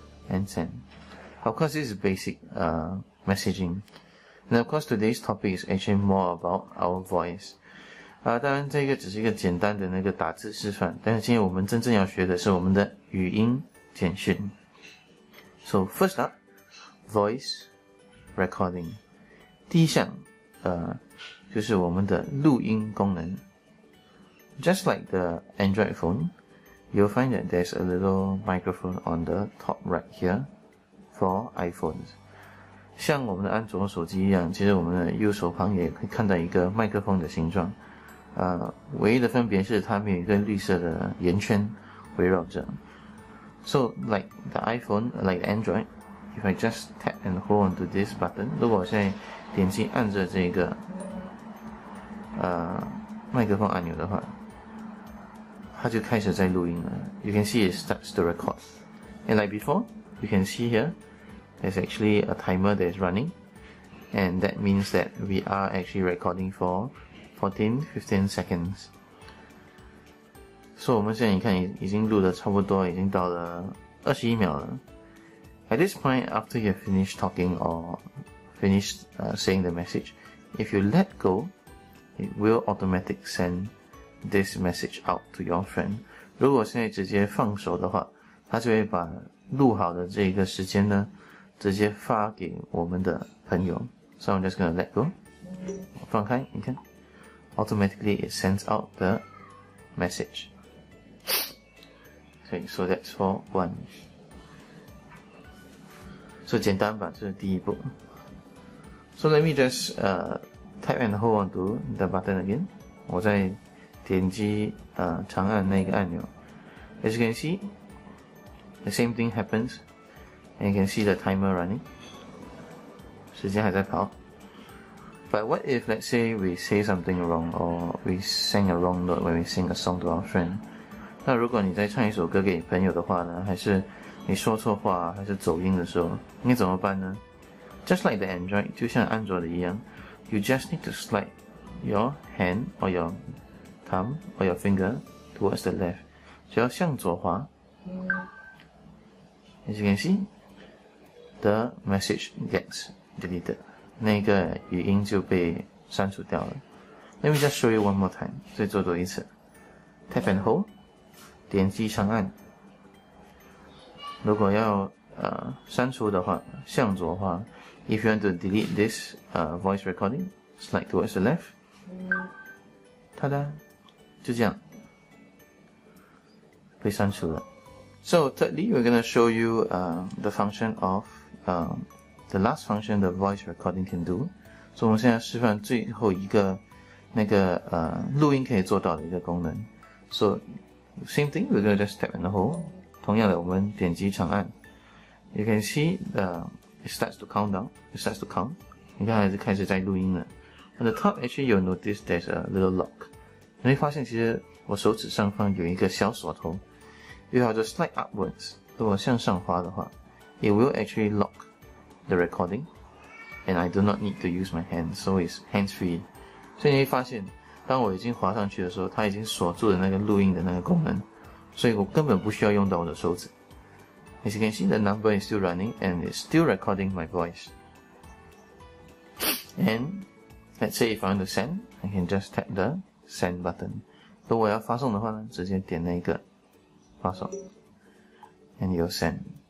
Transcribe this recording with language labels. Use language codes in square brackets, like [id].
[en] And send Of course this is basic messaging And of course today's topic is actually more about our voice [zh] 当然这个只是一个简单的那个打字示范但是今天我们真正要学的是我们的语音简讯 [en] So first upVoice recording. [zh] 第一项就是我们的录音功能。 [en] Just like the Android phone, you'll find that there's a little microphone on the top right here for iPhones. [zh] 像我们的安卓手机一样，其实我们的右手旁也可以看到一个麦克风的形状。唯一的分别是它没有一个绿色的圆圈围绕着。 [en] So, like the iPhone, like Android,If I just tap and hold onto this button, [zh] 如果我现在点击按着这个麦克风按钮的话，它就开始在录音了。 [en] You can see it starts to record. And like before, you can see here, there's actually a timer that is running. And that means that we are actually recording for 14, 15 seconds. [zh] So 我们现在你看已经录了差不多已经到了21秒了。 [en] At this point, after you've finished talking or finished saying the message, if you let go, it will automatically send this message out to your friend. [zh] 如果现在直接放手的话，他就会把录好的这个时间呢，直接发给我们的朋友。 [en] So I'm just gonna let go. [zh] 放开，你看 [en] ，automatically it sends out the message. Okay, so that's for one. [zh] So, 简单吧，这是第一步。 [en] So, let me just tap and hold onto the button again. [zh] 我再点击长按那个按钮。 [en] As you can see, the same thing happens. And you can see the timer running. [zh] 时间还在跑。 [en] But what if, let's say, we say something wrong or we sang a wrong note when we sing a song to our friend? [zh] 那如果你在唱一首歌给朋友的话呢，还是你说错话还是走音的时候你怎么办呢 [en] Just like the Android [zh] 就像安卓的一样 [en] You just need to slide your hand or your thumb or your finger towards the left [zh] 只要向左滑 [en] As you can see The message gets deleted [zh] 那个语音就被删除掉了 [en] Let me just show you one more time. [zh] 再做多一次。 [en] Tap and hold. [zh] 点击上按。如果要删除的话，向左滑。 [en] If you want to delete this voice recording, slide towards the left. [zh] 哒哒，就这样，被删除了。 [en] So thirdly, we're going to show you the function of the last function the voice recording can do. [zh] 所以我们现在示范最后一个那个录音可以做到的一个功能。 [en] So same thing, we're going to just tap in the hole. [zh] 同样的，我们点击长按。 [en] You can see it starts to count down. It starts to count. [zh] 你看还是开始在录音了。 [en] On the top, actually, you'll notice there's a little lock. [zh] 你会发现其实我手指上方有一个小锁头。 [en] You have to slide upwards. [zh] 如果向上滑的话 [en] it will actually lock the recording. And I do not need to use my hand, so it's hands-free. [zh] 所以你会发现当我已经滑上去的时候它已经锁住了那个录音的那个功能。所以我根本不需要用到我的手指。 [en] As you can see, the number is still running and it's still recording my voice. And let's say if I want to send, I can just tap the send button. [zh] 如果我要发送的话呢直接点那个发送 [en] and you'll send.